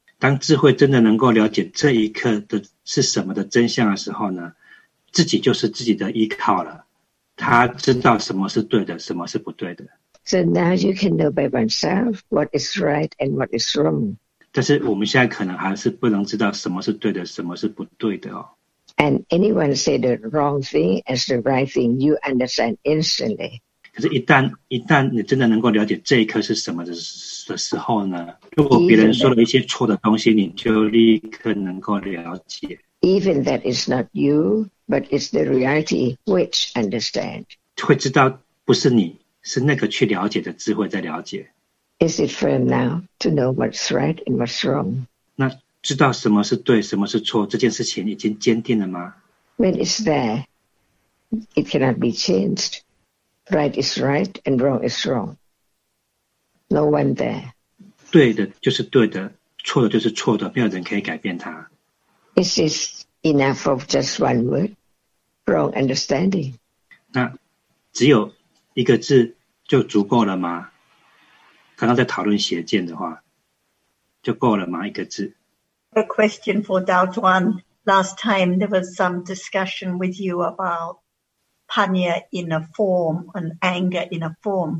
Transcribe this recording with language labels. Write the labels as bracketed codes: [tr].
[zh] 当智慧真的能够了解这一刻的是什么的真相的时候呢，自己就是自己的依靠了，他知道什么是对的，什么是不对的。 [en] So now you can know by oneself what is right and what is wrong. [zh] 但是我们现在可能还是不能知道什么是对的，什么是不对的哦。 [en] And anyone say the wrong thing as the right thing, you understand instantly. [zh] 可是一旦你真的能够了解这一刻是什么的时候呢，如果别人说了一些错的东西，你就立刻能够了解。 [en] Even that is not you, but it's the reality which understand. [zh] 会知道不是你，是那个去了解的智慧在了解。 [en] Is it firm now to know what's right and what's wrong? [zh] 那知道什么是对，什么是错，这件事情已经坚定了吗 [en] ？When it's there, it cannot be changed. Right is right and wrong is wrong. No one there. [zh] 对的就是对的，错的就是错的，没有人可以改变它。 [en] This is enough of just one word, wrong understanding. [zh] 那只有一个字就足够了吗？刚刚在讨论邪见的话，就够了吗？一个字。 [en] A question for Dao Duan. Last time there was some discussion with you about panya in a form and anger in a form.